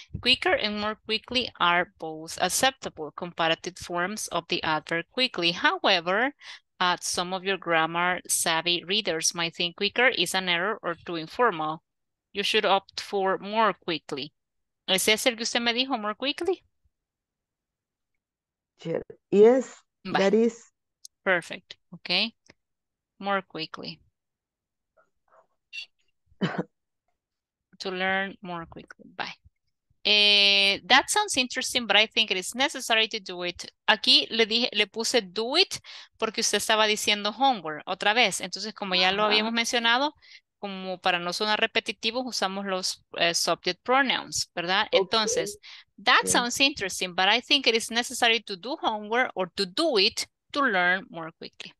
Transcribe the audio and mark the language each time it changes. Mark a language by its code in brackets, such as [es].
[en] Quicker and more quickly are both acceptable comparative forms of the adverb quickly. However, some of your grammar savvy readers might think quicker is an error or too informal. You should opt for more quickly. [es] ¿Ese es el que usted me dijo, [en] more quickly? Yes. Bye. That is perfect. Okay, more quickly. To learn more quickly. Bye. That sounds interesting, but I think it is necessary to do it. [es] Aquí le puse [en] do it [es] porque usted estaba diciendo homework otra vez. Entonces, como ya lo habíamos mencionado, como para no sonar repetitivo, usamos los subject pronouns, ¿verdad? Okay. [en] Entonces, that sounds interesting, but I think it is necessary to do homework or to do it to learn more quickly.